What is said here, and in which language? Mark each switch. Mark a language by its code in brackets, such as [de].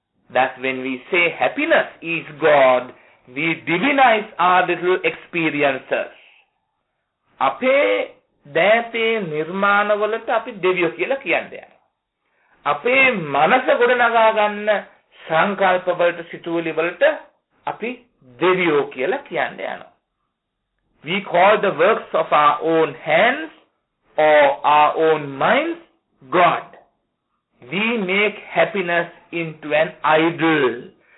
[en] That's when we say happiness is God, we divinize our little experiences. [si] අපේ දෑතේ නිර්මාණවලට අපි දෙවියෝ කියලා කියන්නේ. අපේ මනස ගොඩනගා ගන්න සංකල්පවලට සිතුවිලිවලට අපි දෙවියෝ කියලා කියන්නේ. [en] We call the works of our own hands or our own minds God. We make happiness into an idol.